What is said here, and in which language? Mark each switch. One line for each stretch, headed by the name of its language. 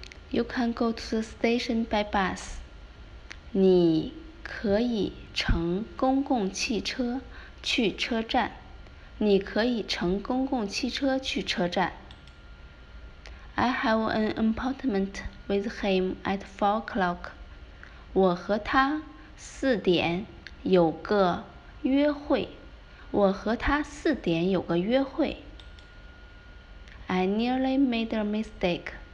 English: You can go to the station by bus.
Chinese: 你可以乘公共汽车去车站。你可以乘公共汽车去车站。
English: I have an appointment with him at 4 o'clock.
Chinese: 我和他四点有个约会。我和他四点有个约会。 I nearly made a mistake.